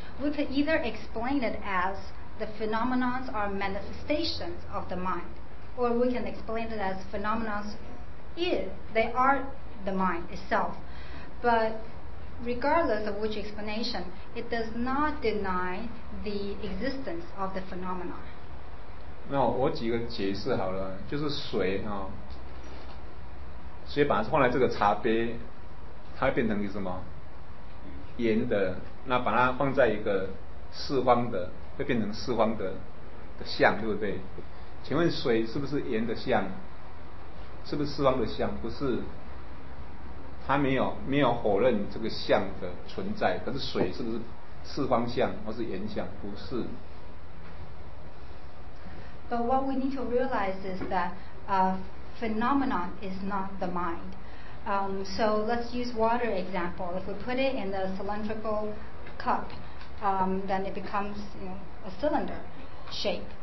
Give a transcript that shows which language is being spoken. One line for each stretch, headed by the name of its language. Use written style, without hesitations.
English: We could either explain it as the phenomenons are manifestations of the mind, or we can explain it as phenomenons is, they are the mind itself. But regardless of which explanation, it does not deny the existence of the phenomenon.
Chinese: 那我举个解释好了，就是水啊，水把它换来这个茶杯，它会变成一个什么圆的，那把它放在一个四方的，会变成四方的像，对不对？请问水是不是圆的像？是不是四方的像？不是，它没有否认这个像的存在。可是水是不是四方像或是圆像？不是。
English: But what we need to realize is that a phenomenon is not the mind. So let's use water example. If we put it in the cylindrical cup, then it becomes, you know, a cylinder shape.